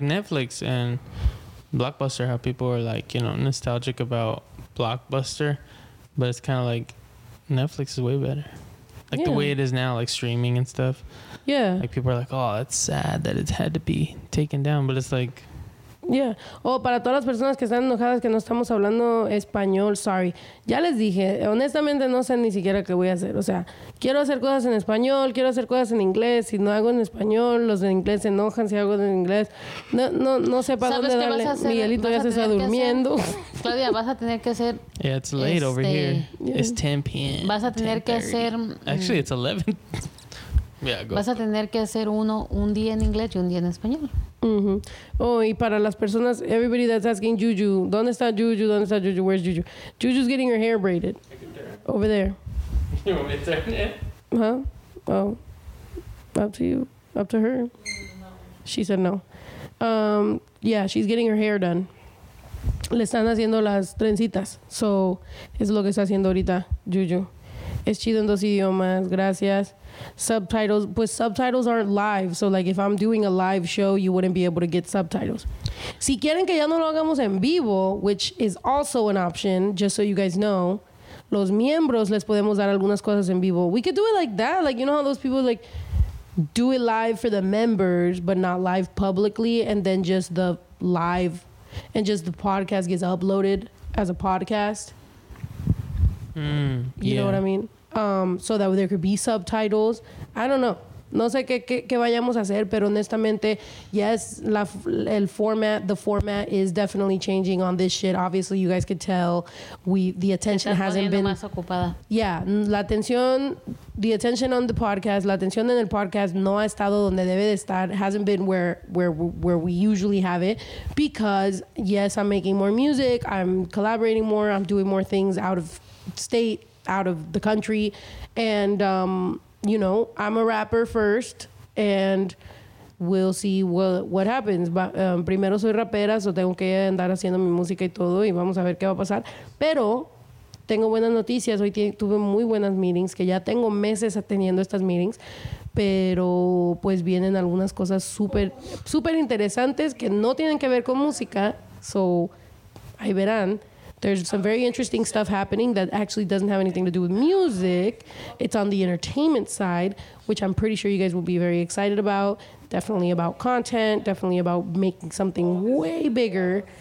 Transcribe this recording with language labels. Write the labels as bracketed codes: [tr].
[en] Netflix and Blockbuster, how people are like, you know, nostalgic about Blockbuster, but it's kind of like Netflix is way better. like the way it is now, like streaming and stuff. Yeah. Like people are like, oh, it's sad that it had to be taken down, but it's like. Yeah. [es] Oh, para todas las personas que están enojadas que no estamos hablando español, sorry. Ya les dije, honestamente no sé ni siquiera qué voy a hacer. O sea, quiero hacer cosas en español, quiero hacer cosas en inglés. Si no hago en español, los de inglés se enojan si hago en inglés. No, no, no sé para dónde darle. ¿Sabes qué vas a hacer? Miguelito ya se está durmiendo. Claudia, vas a tener que hacer. [en] Yeah, it's late over here. Yeah. It's 10 p.m. [es] Vas a tener que hacer. [en] Actually, it's 11. Yeah, go. [es] Vas a tener que hacer uno un día en inglés y un día en español. Mm-hmm. Oh, y para las personas, [en] everybody that's asking Juju, [es] ¿dónde está Juju? ¿Dónde está Juju? [en] Where's Juju? Juju's getting her hair braided. Over there. You want me to turn it? Huh? Oh. Up to you. Up to her. No. She said no. Yeah, she's getting her hair done. [es] Le están haciendo las trencitas. So, es lo que está haciendo ahorita Juju. Es chido en dos idiomas. Gracias. [en] Subtitles, pues subtitles aren't live, so like if I'm doing a live show, you wouldn't be able to get subtitles. [es] Si quieren que ya no lo hagamos en vivo, [en] which is also an option, just so you guys know, [es] los miembros les podemos dar algunas cosas en vivo. [en] We could do it like that, like you know how those people like do it live for the members, but not live publicly, and then just the live, and just the podcast gets uploaded as a podcast. You know what I mean? So that there could be subtitles. I don't know. [es] No sé qué vayamos a hacer, pero honestamente, [en] yes, the format is definitely changing on this shit. Obviously, you guys could tell the attention hasn't been [es] más ocupada. Yeah, la atención en el podcast no ha estado donde debe de estar. [en] Hasn't been where we usually have it because yes, I'm making more music, I'm collaborating more, I'm doing more things out of state. Out of the country, and you know, I'm a rapper first, and we'll see what happens. [es] But primero soy rapera, so tengo que andar haciendo mi música y todo, y vamos a ver qué va a pasar. Pero tengo buenas noticias. Hoy tuve muy buenas meetings, que ya tengo meses teniendo estas meetings, pero pues vienen algunas cosas súper, súper interesantes que no tienen que ver con música. So ahí verán. [en] There's some very interesting stuff happening that actually doesn't have anything to do with music. It's on the entertainment side, which I'm pretty sure you guys will be very excited about. Definitely about content, definitely about making something way bigger.